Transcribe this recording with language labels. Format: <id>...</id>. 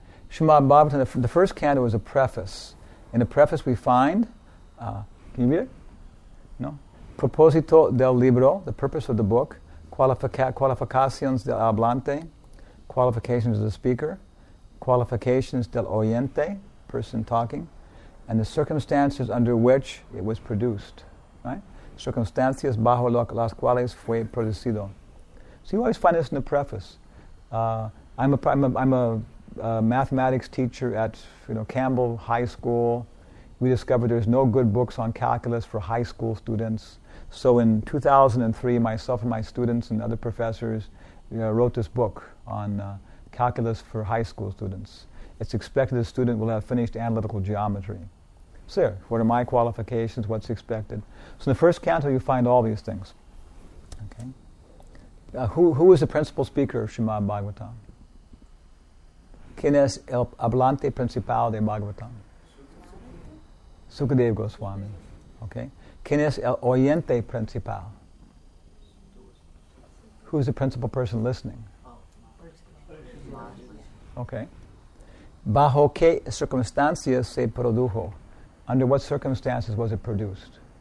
<en>Srimad Bhagavatam, the first canto is a preface. In the preface we find, can you read it? No?</en> <es>Proposito del libro,</es> <en>the purpose of the book,</en> <es>qualificaciones del hablante,</es> <en>qualifications of the speaker, qualifications del oyente, person talking, and the circumstances under which it was produced. Right?</en> <es>Circunstancias bajo las cuales fue producido.</es> <en>So you always find this in the preface. I'm a mathematics teacher at Campbell High School. We discovered there's no good books on calculus for high school students. So in 2003, myself and my students and other professors wrote this book on calculus for high school students. It's expected the student will have finished analytical geometry. So, what are my qualifications? What's expected? So, in the first canto, you find all these things. Okay. Who is the principal speaker of Srimad Bhagavatam?</en> <es>¿Quién es el hablante principal de Bhagavatam? Sukadeva Goswami. Okay. ¿Quién es el oyente principal?</es> <en>Who is the principal person listening? Okay.</en> <es>¿Bajo qué circunstancias se produjo?</es> <en>Under what circumstances was it produced?</en>